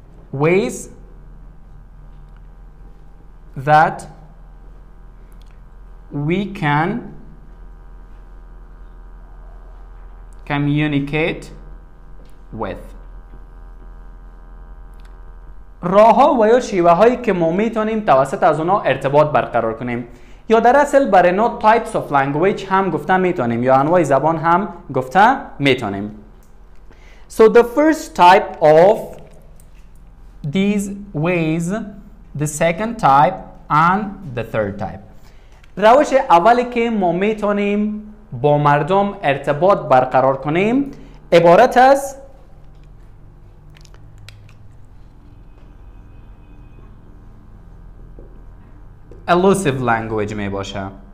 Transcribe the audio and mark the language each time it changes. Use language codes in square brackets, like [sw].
[en] Ways that we can communicate with. [fa] راه ها و یا شیوه هایی که ما می توانیم توسط از اونا ارتباط برقرار کنیم یا در اصل بر اینا [en] types of language [fa] هم گفته می توانیم یا انواع زبان هم گفته می توانیم. [en] So the first type of these ways, the second type and the third type. [fa] روش اولی که ما می توانیم با مردم ارتباط برقرار کنیم عبارت از elusive language می باشه.